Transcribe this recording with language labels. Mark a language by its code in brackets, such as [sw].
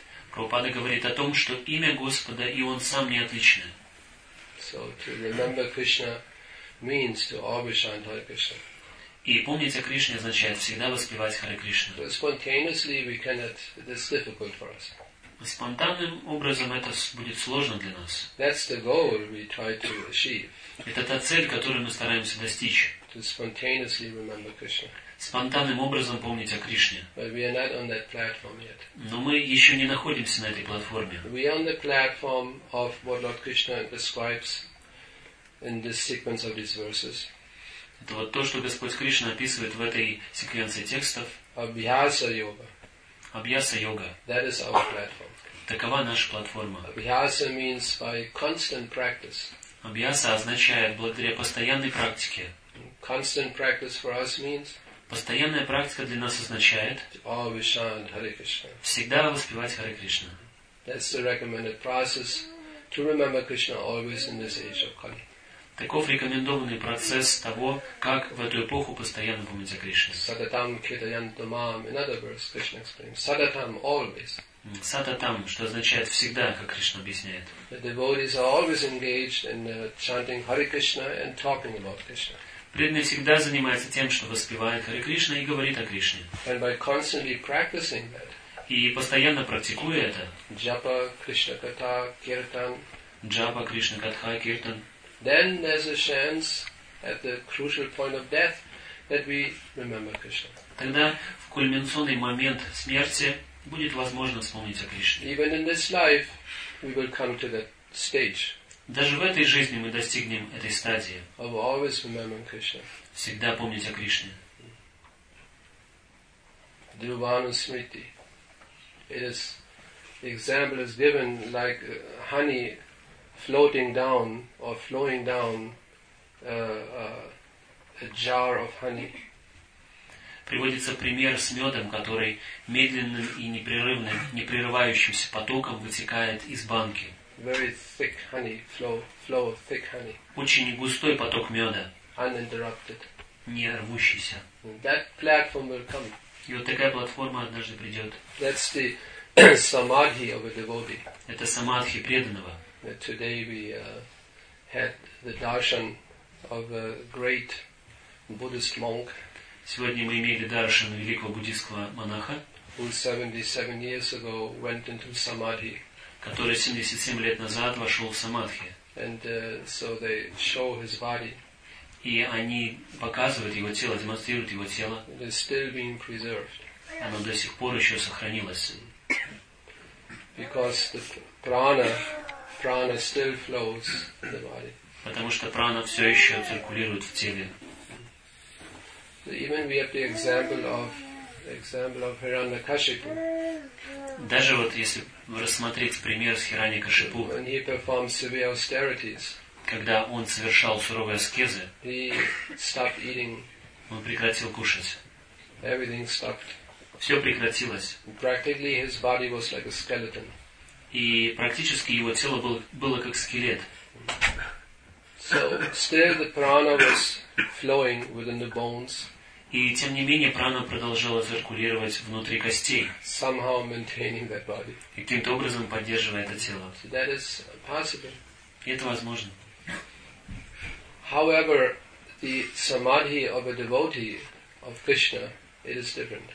[ru] Прабхупада говорит о том, что имя Господа и Он Сам не отличны. [en] So to remember Krishna means to always chant Hare Krishna. [ru] И помнить о Кришне означает всегда воспевать Харе Кришна. [en] But spontaneously we cannot, it is difficult for us. [ru] Спонтанным образом это будет сложно для нас. [en] That's the goal we try to achieve. [ru] Это та цель, которую мы стараемся достичь. [en] To spontaneously remember Krishna. [ru] Спонтанным образом помнить о Кришне. [en] But we are not on that platform yet. [ru] Но мы еще не находимся на этой платформе. [en] We are on the platform of what Lord Krishna describes in this sequence of these verses. [ru] Это вот то, что Господь Кришна описывает в этой секвенции текстов. Абьяса-йога. Абьяса-йога. [en] That is our platform. [ru] Такова наша платформа. [en] Абьяса means by constant practice. [ru] Абьяса означает благодаря постоянной практике. [en] Constant practice for us means [ru] постоянная практика для нас означает [en] always chant Hare Krishna. [ru] Всегда воспевать Харе Кришна. [en] That's the recommended process to remember Krishna always in this age of Kali. [ru] Таков рекомендованный процесс того, как в эту эпоху постоянно помнить о Кришне. [sa] Садатам кетаянтамам. [en] In other words, Krishna explains. Садатам always. [ru] Садатам, что означает всегда, как Кришна объясняет. [en] The devotees are always engaged in chanting Hare Krishna and talking about Krishna. [ru] Преданный всегда занимается тем, что воспевает Харе Кришна и говорит о Кришне. [en] And by constantly practicing that. [ru] И постоянно практикуя это. Джапа, Кришна Катха, Киртан. Джапа, Кришна Катха, Киртан. [en] Then there's a chance at the crucial point of death that we remember Krishna. [ru] тогда в кульминационный момент смерти будет возможно вспомнить о Кришне. [en] Even in this life, we will come to that stage. [ru] Даже в этой жизни мы достигнем этой стадии. [en] Of always remembering Krishna. [ru] Всегда помнить о Кришне. [en] Dhruvanu Smriti. It is the example is given like honey floating down or flowing down a jar of honey. [ru] Приводится пример с медом, который медленным и непрерывным, непрерывающимся потоком вытекает из банки. [en] Very thick honey, flow of thick honey. [ru] Очень густой поток меда. [en] Uninterrupted. [ru] Не рвущийся. [en] That platform will come. [ru] И вот такая платформа однажды придет. [en] That's the samadhi of a devotee. [ru] Это самадхи преданного. [en] Today we had the darshan of a great Buddhist monk. [ru] Сегодня мы имели даршан великого буддийского монаха, [en] who 77 years ago went into samadhi. [ru] Который 77 лет назад вошел в самадхи. [en] And so they show his body. [ru] И они показывают его тело, демонстрируют его тело. [en] It is still being preserved. [ru] Оно до сих пор еще сохранилось. [en] Because the prana still flows in the body. [ru] Потому что прана все еще циркулирует в теле. [en] Even we have the example of Hiranyakashipu. [ru] Даже вот если рассмотреть пример с Хираньякашипу. [en] When he performed severe austerities. [ru] Когда он совершал суровые аскезы, [en] he stopped eating. [ru] Он прекратил кушать. [en] Everything stopped. [ru] Все прекратилось. [en] Practically his body was like a skeleton. [ru] И практически его тело было как скелет. [en] So still the prana was flowing within the bones. [ru] И тем не менее прана продолжала циркулировать внутри костей. [en] Somehow maintaining that body. [ru] И каким-то образом поддерживая это тело. [en] So that is possible. [ru] И это возможно. [en] However, the samadhi of a devotee of Krishna, it is different.